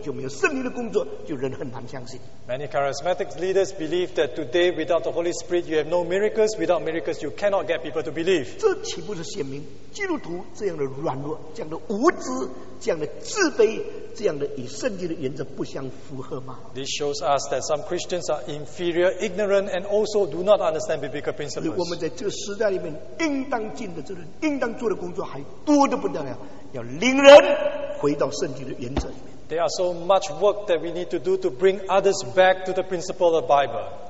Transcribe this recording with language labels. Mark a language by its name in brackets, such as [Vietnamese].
[Chinese] 今天许多灵恩派的领袖，他们认为没有神迹就等于没有圣灵，没有圣灵的能力就没有圣灵的工作，就人很难相信。 [English] Many charismatic leaders believe that today without the Holy Spirit you have no miracles, without miracles you cannot get people to believe. [Chinese] 这岂不是显明基督徒这样的软弱，这样的无知，这样的自卑？这样的与圣经的原则不相符合吗？ [English] This shows us that some Christians are inferior, ignorant, and also do not understand biblical principles. [Chinese] 我们在这个时代里面应当尽的责任，应当做的工作还多得不得了，要领人回到圣经的原则里面。 [English] There are so much work that we need to do to bring others back to the principle of the Bible.